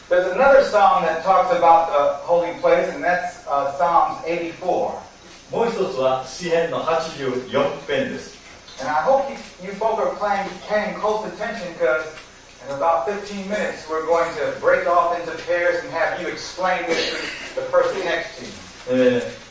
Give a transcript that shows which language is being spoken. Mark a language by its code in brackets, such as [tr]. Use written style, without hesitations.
[en] There's another psalm that talks about the holy place, and that's Psalms 84. [ja] もう一つは詩編の84編です。 [en] And I hope you folks are paying close attention, because in about 15 minutes, we're going to break off into pairs and have you explain this to the person next to you.